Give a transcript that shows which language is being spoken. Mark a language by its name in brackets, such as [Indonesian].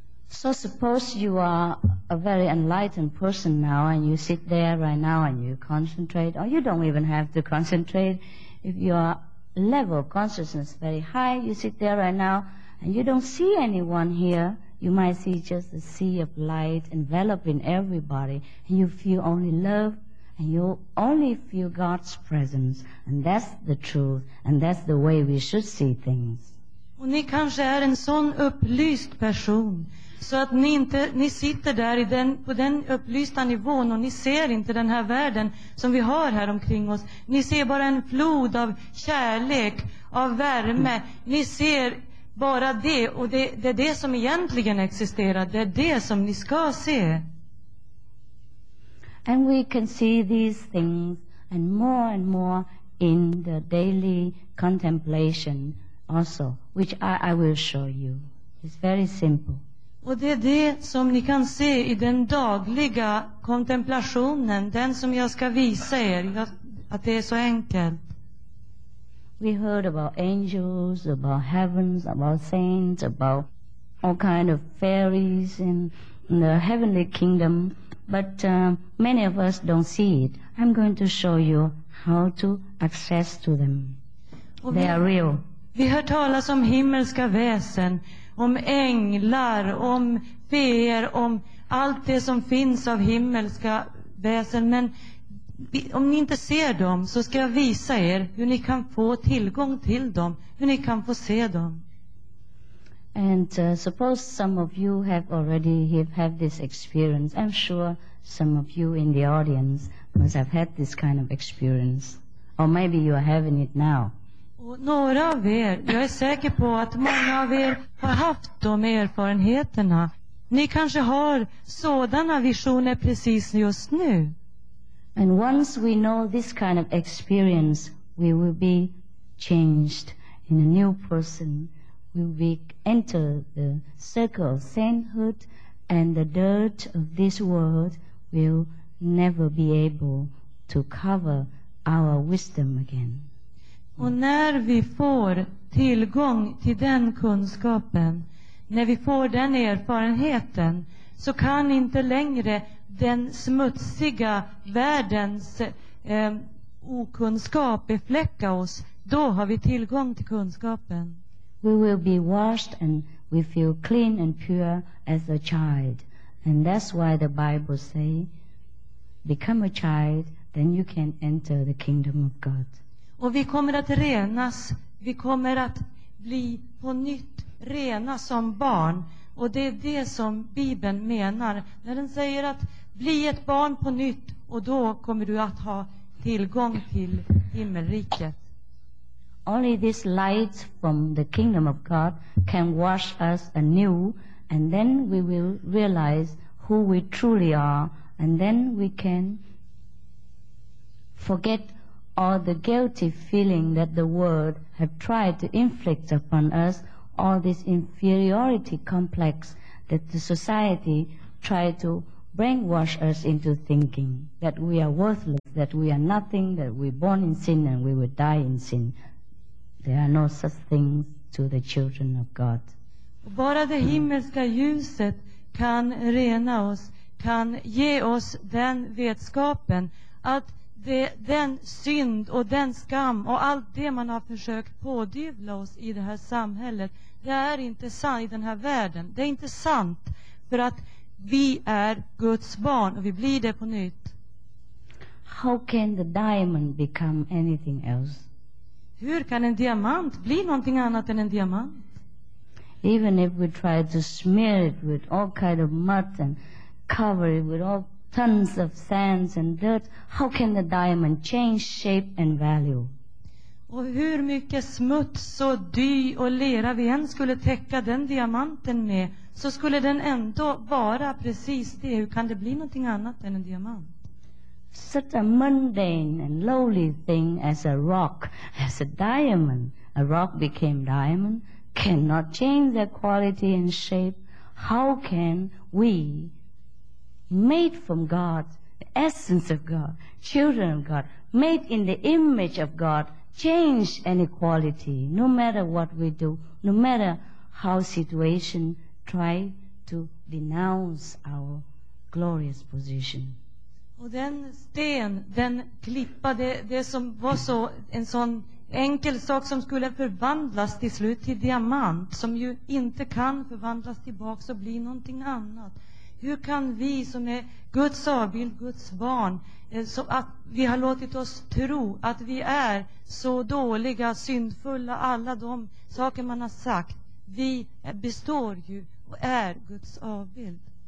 [English] So suppose you are a very enlightened person now, and you sit there right now and you concentrate, or you don't even have to concentrate. If your level of consciousness is very high, you sit there right now and you don't see anyone here, you might see just a sea of light enveloping everybody, and you feel only love, and you only feel God's presence, and that's the truth, and that's the way we should see things. [Swedish] Och ni kanske är en sån upplyst person, så att ni sitter där på den upplysta nivån och ni ser inte den här världen som vi har här omkring oss. Ni ser bara en flod av kärlek, av värme. Ni ser bara det, och det är det som egentligen existerar. Det är det som ni ska se. [English] And we can see these things and more in the daily contemplation also, which I will show you. It's very simple. [Swedish] Och det är det som ni kan se i den dagliga kontemplationen, den som jag ska visa er, att det är så enkelt. [English] We heard about angels, about heavens, about saints, about all kind of fairies in the heavenly kingdom, but many of us don't see it. I'm going to show you how to access to them. They are real. [Swedish] Vi hör talas om himmelska väsen, om änglar, om feer, om allt det som finns av himmelska väsen. Men om ni inte ser dem, så ska jag visa er hur ni kan få tillgång till dem, hur ni kan få se dem. [English] And suppose some of you have already have this experience. I'm sure some of you in the audience must have had this kind of experience. Or maybe you are having it now. [Swedish] Och några av er, jag är säker på att många av er har haft de erfarenheterna. Ni kanske har sådana visioner precis just nu. [English] And once we know this kind of experience, we will be changed in a new person. We will enter the circle of sainthood, and the dirt of this world will never be able to cover our wisdom again. [Swedish] Och när vi får tillgång till den kunskapen, när vi får den erfarenheten, så kan inte längre den smutsiga världens okunskap befläcka oss. Då har vi tillgång till kunskapen. [English] We will be washed and we feel clean and pure as a child. And that's why the Bible say, become a child, then you can enter the kingdom of God. [Swedish] Och vi kommer att renas, vi kommer att bli på nytt rena som barn. Och det är det som Bibeln menar när den säger att bli ett barn på nytt, och då kommer du att ha tillgång till himmelriket. [English] Only this light from the kingdom of God can wash us anew, and then we will realize who we truly are, and then we can forget all the guilty feeling that the world have tried to inflict upon us, all this inferiority complex that the society tried to brainwash us into thinking, that we are worthless, that we are nothing, that we're born in sin and we will die in sin. There are no such things to the children of God. [Swedish] Bara det himmelska ljuset kan rena oss, kan ge oss den vetskapen att den synd och den skam och allt det man har försökt pådyvla oss i det här samhället, det är inte sant i den här världen. Det är inte sant, för att vi är Guds barn och vi blir det på nytt. [English] How can the diamond become anything else? [Swedish] Hur kan en diamant bli någonting annat än en diamant? [English] Even if we try to smear it with all kind of mud and cover it with all tons of sands and dirt, how can the diamond change shape and value? [Swedish] Och hur mycket smuts och dy och lera vi än skulle täcka den diamanten med, så skulle den ändå vara precis det. Hur kan det bli någonting annat än en diamant? [English] Such a mundane and lowly thing as a rock, as a diamond, a rock became diamond, cannot change their quality and shape. How can we, made from God, the essence of God, children of God, made in the image of God, change any quality, no matter what we do, no matter how situation try to denounce our glorious position. [Swedish] Och den sten, den klippa, det som var så en sån enkel sak som skulle förvandlas till slut till diamant, som ju inte kan förvandlas tillbaka och bli någonting annat. Hur kan vi som är Guds avbild, Guds barn, så att vi har låtit oss tro att vi är så dåliga, syndfulla, alla de saker man har sagt, vi består ju och är Guds avbild.